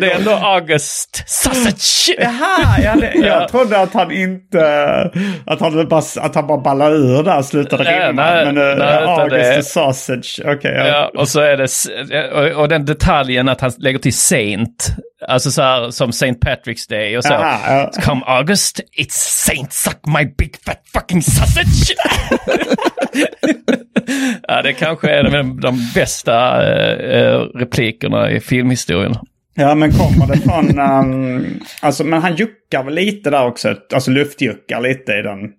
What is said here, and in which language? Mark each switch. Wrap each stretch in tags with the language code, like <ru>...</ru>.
<sv>Det är ändå</sv> <en>August sausage.</en> <sv>Jag trodde att han inte, att han bara ballar ur där och slutade rimma.</sv> <en>August sausage. Okay,</en> <sv>ja. Och så är det, och den detaljen att han lägger till Saint, alltså så här, som St. Patrick's Day och så. Aha, ja.</sv> <en>Come August, it's Saint suck my big fat fucking sausage.</en> <sv>Ja, det kanske är de bästa replikerna i filmhistorien. Ja, men kommer det från alltså, men han juckar väl lite där också, alltså luftjuckar lite i den.</sv>